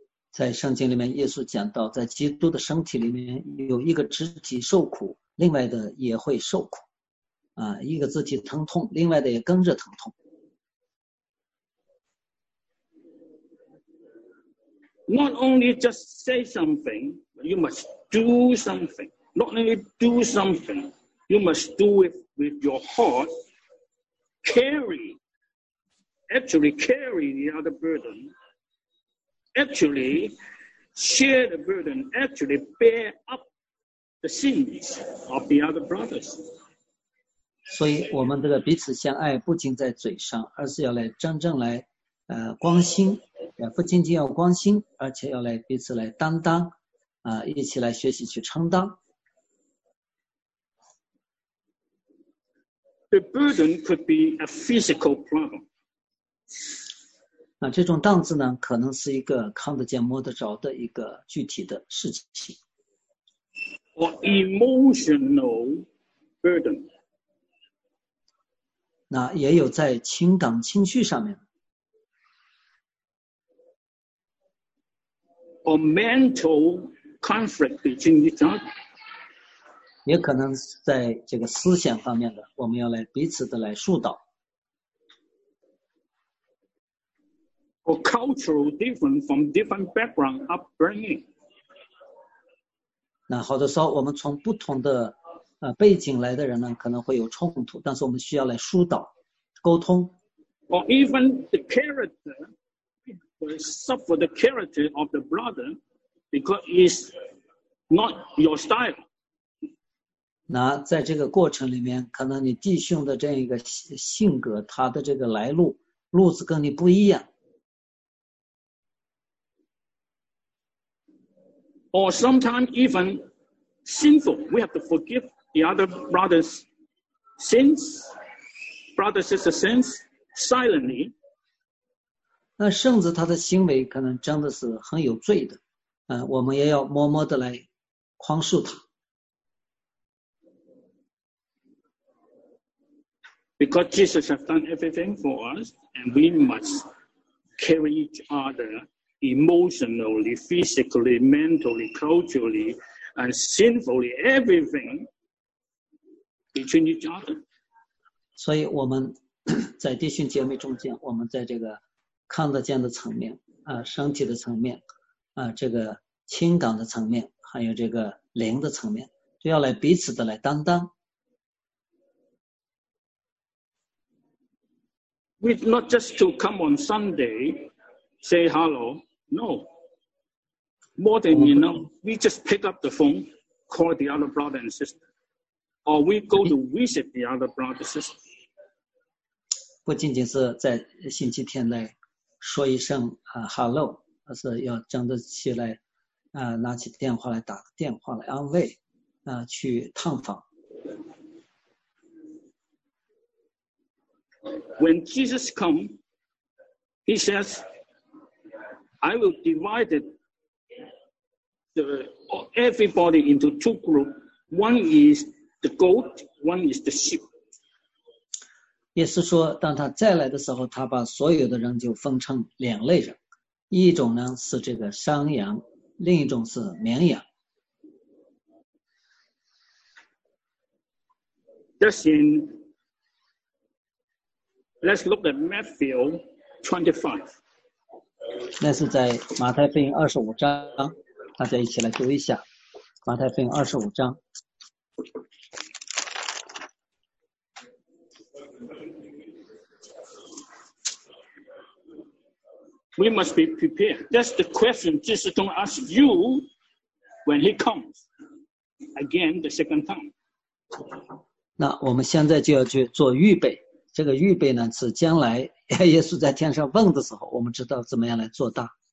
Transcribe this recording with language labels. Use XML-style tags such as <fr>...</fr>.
<zh>在圣经里面耶稣讲到，在基督的身体里面有一个肢体受苦，另外的也会受苦。一个肢体疼痛，另外的也跟着疼痛。</zh> <en>Not only just say something, you must do something. Not only do something, you must do it with your heart. Carry the other burden. Actually, share the burden, actually bear up the sins of the other brothers.</en> <zh>所以我们这个彼此相爱不仅在嘴上，而是要来真正来关心，不仅仅要关心，而且要来彼此来担当，一起来学习去承担。</zh> <en>The burden could be a physical problem.</en> <zh>那这种担子呢，可能是一个看得见摸得着的一个具体的事情。</zh> <en>Or emotional burden.</en> <zh>那也有在情感情绪上面。</zh> <en>Or mental conflict between each other.</en> <zh>也可能在这个思想方面的，我们要来彼此的来疏导。</zh> <en>Or cultural different from different background upbringing.</en> <zh>那好多时候我们从不同的背景来的人呢，可能会有冲突，但是我们需要来疏导，沟通。</zh> <en>Or even the character will suffer the character of the brother because it's not your style.</en> <zh>那在这个过程里面，可能你弟兄的这样一个性格，他的这个来路路子跟你不一样。</zh> <en>Or sometimes even sinful, we have to forgive the other brother's sins, brother sister's sins silently.</en> <zh>那圣子他的行为可能真的是很有罪的，我们也要默默的来宽恕他。</zh> <en>Because Jesus has done everything for us, and we must carry each other emotionally, physically, mentally, culturally, and sinfully, everything between each other.</en> <zh>所以我们在弟兄姐妹中间，我们在这个看得见的层面，身体的层面，这个情感的层面，还有这个灵的层面，都要来彼此的来担当。</zh> <en>We not just to come on Sunday, say hello. No. More than you know, we just pick up the phone, call the other brother and sister. Or we go to visit the other brother and sister.</en> <zh>不仅仅是在星期天来说一声hello, 而是要真的起来拿起电话来打个电话来安慰去探访。</zh> <en>When Jesus comes, he says, I will divide everybody into two groups. One is the goat, one is the sheep.</en> <zh>也是说当他再来的时候，他把所有的人就分成两类人。一种呢是这个山羊，另一种是绵羊。</zh> <en>Let's look at Matthew 25.</en> <zh>那是在马太福音25章，大家一起来读一下。马太福音25章。</zh> <en>We must be prepared. That's the question Jesus is going to ask you when he comes again the second time.</en> <zh>那我们现在就要去做预备。这个预备呢，是将来耶稣在天上问的时候，我们知道怎么样来做大。</zh>